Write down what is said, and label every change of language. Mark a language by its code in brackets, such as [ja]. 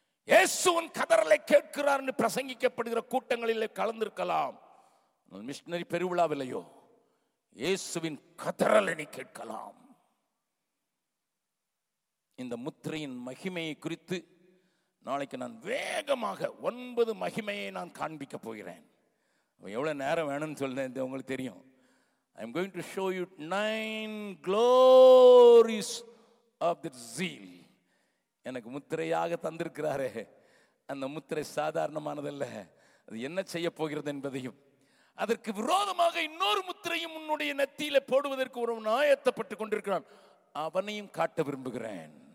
[ta] இயேசுவின் கதறலை கேட்கிறார் என்று பிரசங்கிக்கப்படுகிற கூட்டங்களிலே கலந்திருக்கலாம், மிஷினரி பெருவிழாவில்லையோ இயேசுவின் கதறலை நீ கேட்கலாம். இந்த முத்திரையின் மகிமையை குறித்து நாளைக்கு நான் வேகமாக 9 மகிமையை நான் காண்பிக்கப் போகிறேன். எவ்வளோ நேரம் வேணும்னு சொல்றேன் உங்களுக்கு தெரியும். [en] I'm going to show you 9 glories of the zeal. [ta] எனக்கு முத்திரையாக தந்திருக்கிறாரே, அந்த முத்திரை சாதாரணமானதல்ல. அது என்ன செய்ய போகிறது என்பதையும், அதற்கு விரோதமாக இன்னொரு முத்திரையும் உன்னுடைய நெத்தியில போடுவதற்கு ஒருவன் ஆயத்தப்பட்டுக் கொண்டிருக்கிறான், அவனையும் காட்ட விரும்புகிறேன்.